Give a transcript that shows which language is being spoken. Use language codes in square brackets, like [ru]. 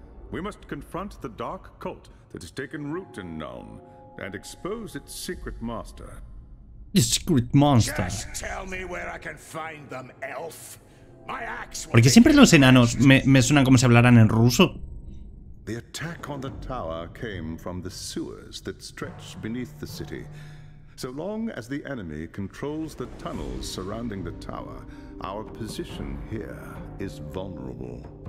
[en] We must confront the dark cult that has taken root in Nuln and expose its secret master. The secret monster. Just tell me where I can find them, elf. My axe. [es] Porque siempre los enanos me suenan como si hablaran en ruso. [en] The attack on the tower came from the sewers that stretch beneath the city. So long as the enemy controls the tunnels surrounding the tower, our position here is vulnerable.